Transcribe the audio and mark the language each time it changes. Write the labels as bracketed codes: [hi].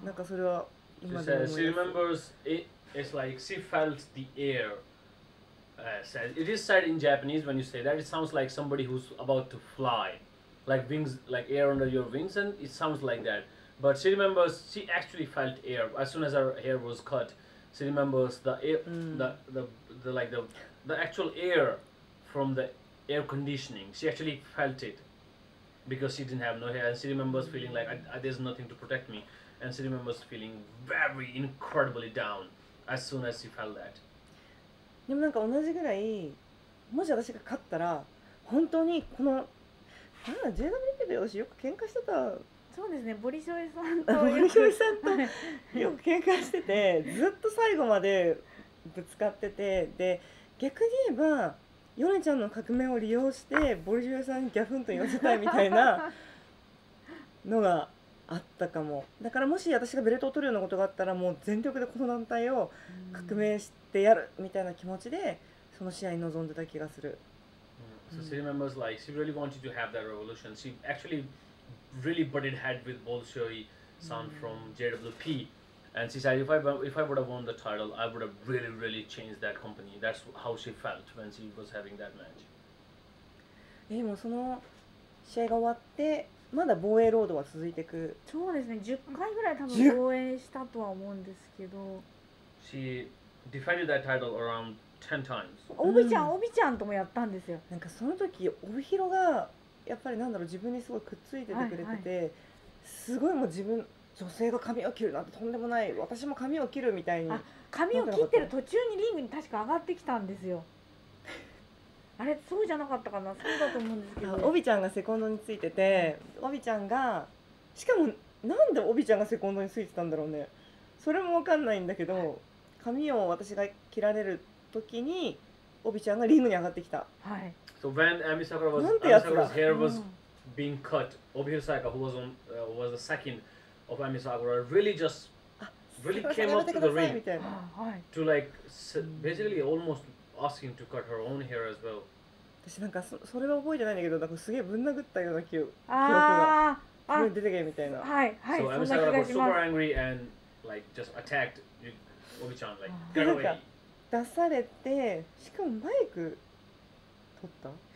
[ja] なんかそれは今でも思います。 [en] She remembers it, it's like she felt the air、says, it is said in Japanese when you say that, it sounds like somebody who's about to fly, like wings, like air under your wings, and it sounds like that, but she remembers she actually felt air as soon as her hair was cutShe remembers the air, the like the actual air from the air conditioning. She actually felt it because she didn't have no hair. And she remembers feeling like there's nothing to protect me. And she remembers feeling very incredibly down as soon as she felt that. [ja] でもなんか同じぐらい、もし私が勝ったら本当にこの、なんか JWP で私よく喧嘩してた。そうですね、ボリショイさんとボリショイさんとよく喧嘩してて、ずっと最後までぶつかってて、で逆に言えばヨネちゃんの革命を利用してボリジュエさんにギャフンと言わせたいみたいなのがあったかも。だからもし私がベルトを取るようなことがあったら、もう全力でこの団体を革命してやるみたいな気持ちでその試合に臨んでた気がする。 [en] So she remembers like she really wanted to have that revolution. She actually really butted head with Bolshoi-san from JWP. And she said, if I would have won the title, I would have really, really changed that company. That's how she felt when she was having that match. [ja] でもその試合が終わって、まだ防衛ロードは続いていく。そうですね。 10回ぐらい多分防衛したとは思うんですけど。 [en] She defended that title around 10 times. [ja] オビちゃん、オビちゃんともやったんですよ。なんかその時、オビヒロがやっぱりなんだろう、自分にすごいくっついててくれてて、はいはい、すごいもう自分、女性が髪を切るなんてとんでもない、私も髪を切るみたいに。あ、髪を切ってる途中にリングに確か上がってきたんですよあれそうじゃなかったかな、そうだと思うんですけど、オビちゃんがセコンドについてて、オビちゃんが、しかもなんでオビちゃんがセコンドについてたんだろうね、それもわかんないんだけど、髪を私が切られる時にオビちゃんがリングに上がってきた。はい。 [en] So when Ami Sakura was, [ja] なんてやつだ。 [en] Ami Sakura's hair was being cut, Obihiro Sayaka, who was on, was the secondOf Ami Sakura really just really came up to the ring to like basically almost asking to cut her own hair as well. [ja] 私なんかそれは覚えてないんだけど、なんかすげえぶん殴ったような記憶が、あれ出てけみたいな。はいはい。 [en] So Ami Sakura was super angry and like just attacked Obi-chan like get away. [ja] 出されて、しかもマイク取った。